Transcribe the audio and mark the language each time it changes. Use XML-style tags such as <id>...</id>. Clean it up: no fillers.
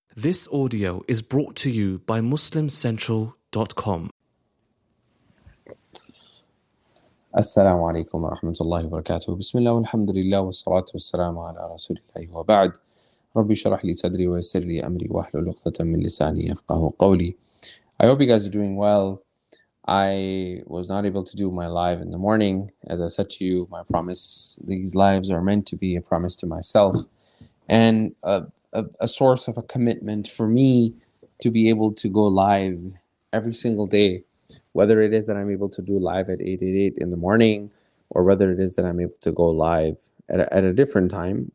<en>This audio is brought to you by MuslimCentral.com.</en> <ar>السلام عليكم ورحمة الله وبركاته. بسم الله والحمد لله والصلاة والسلام على رسول الله. وبعد، ربي شرح لي صدري ويسر لي أمري واحلل عقدة من لساني يفقه قولي.</ar> <en>I hope you guys are doing well. I was not able to do my live in the morning. As I said to you, my promise, these lives are meant to be a promise to myself and a source of a commitment for me to be able to go live every single day, whether it is that I'm able to do live at 8:88 in the morning or whether it is that I'm able to go live at a different time.</en>